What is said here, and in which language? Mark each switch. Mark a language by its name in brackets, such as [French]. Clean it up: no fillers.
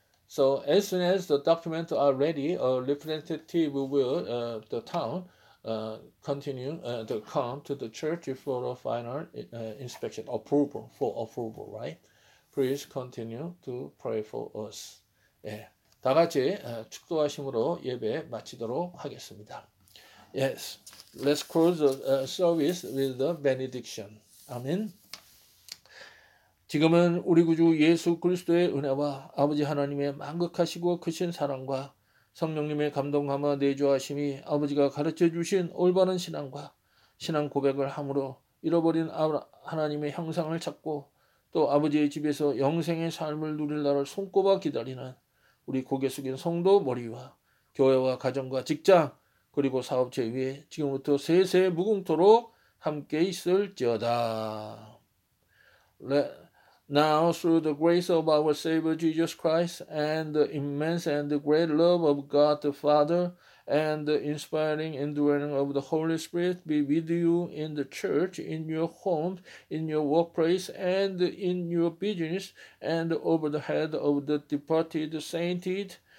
[English] So as soon as the document are ready, a representative will the town continue to come to the church for a final inspection approval for approval, right? Please continue to pray for us. [Korean] 예. 다 같이 축도하심으로 예배 마치도록 하겠습니다. [English] Yes, let's close the service with the benediction. Amen. [Korean] 지금은 우리 구주 예수 그리스도의 은혜와 아버지 하나님의 만극하시고 크신 사랑과 성령님의 감동감화 내주하심이 아버지가 가르쳐 주신 올바른 신앙과 신앙 고백을 함으로 잃어버린 하나님의 형상을 찾고 또 아버지의 집에서 영생의 삶을 누릴 날을 손꼽아 기다리는 우리 고개 숙인 성도 머리와 교회와 가정과 직장 그리고 사업체 위에 지금부터 세세 무궁토록 함께 있을지어다. [English] Now, through the grace of our Savior Jesus Christ and the immense and the great love of God the Father and the inspiring indwelling of the Holy Spirit be with you in the church, in your home, in your workplace, and in your business, and over the head of the departed sainted,